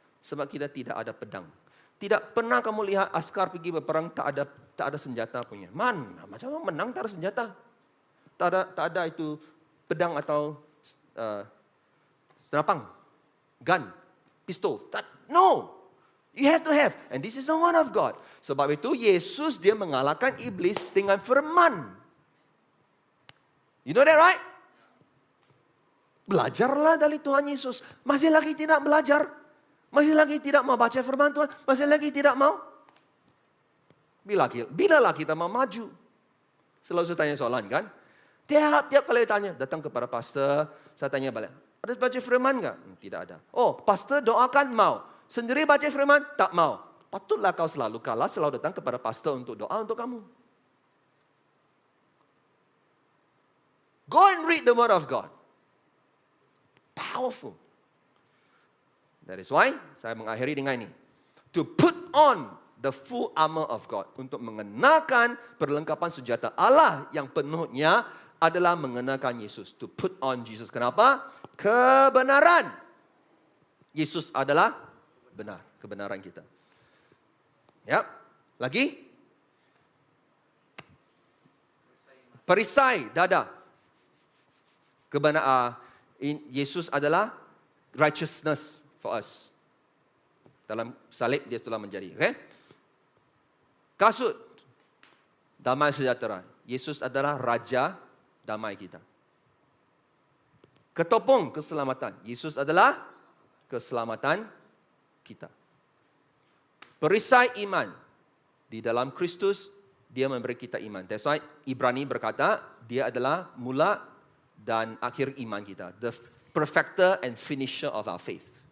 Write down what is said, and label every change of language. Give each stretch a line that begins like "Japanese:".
Malay: Sebab kita tidak ada pedang. Tidak pernah kamu lihat askar pergi berperang tak ada senjata punya. Mana macam mana menang tak ada senjata? Tak ada itu pedang atau senapang, gun, pistol.
English: No. You have to have, and this is the one of God.
Malay: Sebab itu Yesus dia mengalahkan iblis dengan firman.
English: You know that right?
Malay: Belajarlah dari Tuhan Yesus. Masih lagi tidak belajar? Masih lagi tidak mau baca firman Tuhan? Masih lagi tidak mau? Bila lah kita mau maju? Selalu saya tanya soalan kan? Tiap kali saya tanya, datang kepada pastor, saya tanya balik, ada baca firman enggak? Tidak ada. Oh, pastor doakan mau. Sendiri baca firman? Tak mau. Patutlah kau selalu kalah, selalu datang kepada pastor untuk doa untuk kamu.
English: Go and read the word of God. Powerful. That is why
Malay: saya mengakhiri dengan ini.
English: To put on the full armor of God.
Malay: Untuk mengenakan perlengkapan senjata Allah yang penuhnya adalah mengenakan Yesus.
English: To put on Jesus.
Malay: Kenapa? Kebenaran. Yesus adalah benar. Kebenaran kita. Yep. Lagi. Perisai dada. Kebenaran.
English: Yesus adalah righteousness for us.
Malay: Dalam salib dia telah menjadi. Okay? Kasut. Damai sejahtera. Yesus adalah raja damai kita. Ketopong keselamatan. Yesus adalah keselamatan kita. Perisai iman. Di dalam Kristus, dia memberi kita iman.
English: That's why
Malay: Ibrani berkata, dia adalah mula dan akhir iman kita.
English: The perfecter and finisher of our faith.